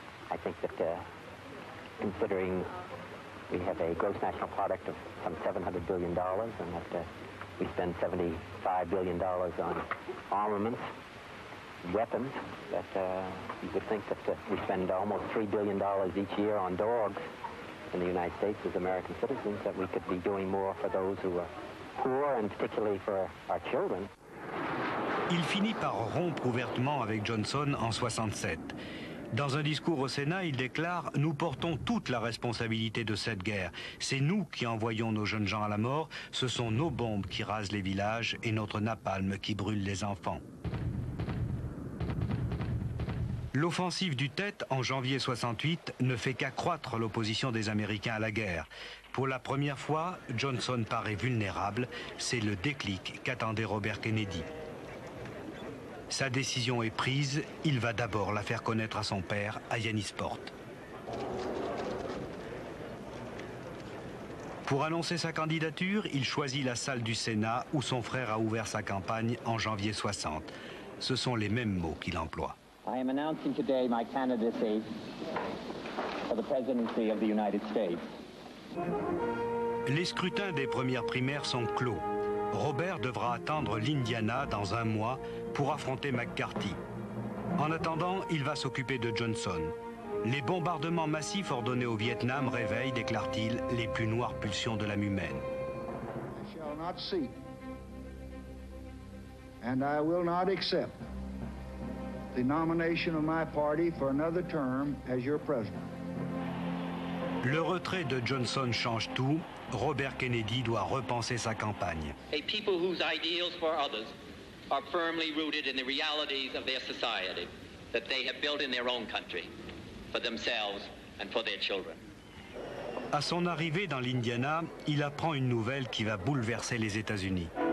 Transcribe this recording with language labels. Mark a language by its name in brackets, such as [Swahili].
[English] I think that considering we have a gross national product of some $700 billion and that we spend $75 billion on armaments, weapons, that you would think that we spend almost $3 billion each year on dogs in the United States as American citizens, that we could be doing more for those who are poor and particularly for our children. [French] Il finit par rompre ouvertement avec Johnson en 67. Dans un discours au Sénat, il déclare « Nous portons toute la responsabilité de cette guerre. C'est nous qui envoyons nos jeunes gens à la mort. Ce sont nos bombes qui rasent les villages et notre napalm qui brûle les enfants. » L'offensive du Tet en janvier 68 ne fait qu'accroître l'opposition des Américains à la guerre. Pour la première fois, Johnson paraît vulnérable. C'est le déclic qu'attendait Robert Kennedy. Sa décision est prise, il va d'abord la faire connaître à son père, à Yanis Porte. Pour annoncer sa candidature, il choisit la salle du Sénat où son frère a ouvert sa campagne en janvier 60. Ce sont les mêmes mots qu'il emploie. [English] I am announcing today my candidacy for the presidency of the United States. [French] Les scrutins des premières primaires sont clos. Robert devra attendre l'Indiana dans un mois pour affronter McCarthy. En attendant, il va s'occuper de Johnson. Les bombardements massifs ordonnés au Vietnam réveillent, déclare-t-il, les plus noires pulsions de l'âme humaine. [English] I shall not see, and I will not accept the nomination of my party for another term as your president. [French] Le retrait de Johnson change tout. Robert Kennedy doit repenser sa campagne. [English] A people whose ideals for others are firmly rooted in the realities of their society that they have built in their own country for themselves and for their children. [French] À son arrivée dans l'Indiana, il apprend une nouvelle qui va bouleverser les États-Unis.